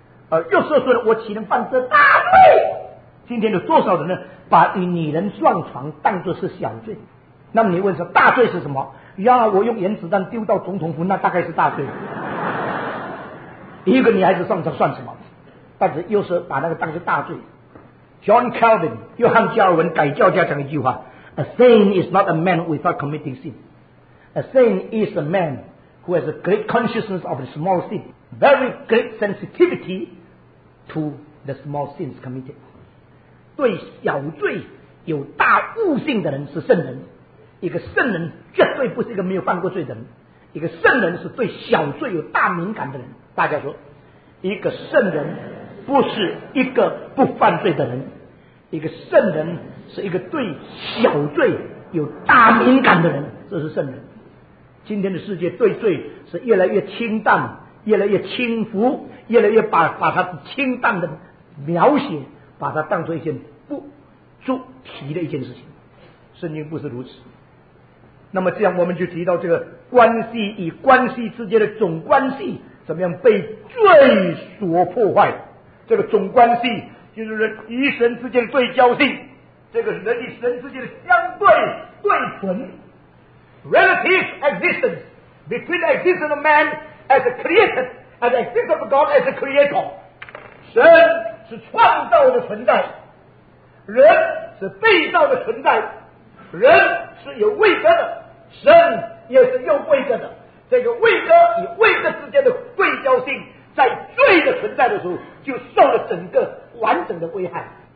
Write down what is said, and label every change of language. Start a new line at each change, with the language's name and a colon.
Chinese: 而约瑟说的，我岂能犯这大罪？今天有多少人呢，把与女人撞床当作是小罪？那么你问说大罪是什么？呀，我用原子弹丢到总统府，那大概是大罪。一个女孩子上床算什么？但是又是把那个当成大罪。
English: John Calvin，
Chinese: 约翰加尔文改教家讲一句话
English: ：A saint is not a man without committing sin. A saint is a man who has a great consciousness of the small sin, very great sensitivity to the small sins committed.
Chinese: 对小罪有大悟性的人是圣人。一个圣人绝对不是一个没有犯过罪的人，一个圣人是对小罪有大敏感的人。大家说，一个圣人不是一个不犯罪的人，一个圣人是一个对小罪有大敏感的人，这是圣人。今天的世界对罪是越来越清淡，越来越轻浮，越来越把它清淡的描写把它当作一件不足提的一件事情。圣经不是如此。那么这样我们就提到这个关系与关系之间的总关系怎么样被罪所破坏。这个总关系就是人与神之间的对焦性，这个人与神之间的相对对存
English: relative existence between the existence of man as a creator
Chinese: and the existence of God as a creator。神是创造的存在，人是被造的存在，人是有位格的，神也是有位格的。这个位格与位格之间的对焦性在罪的存在的时候就受了整个完整的危害。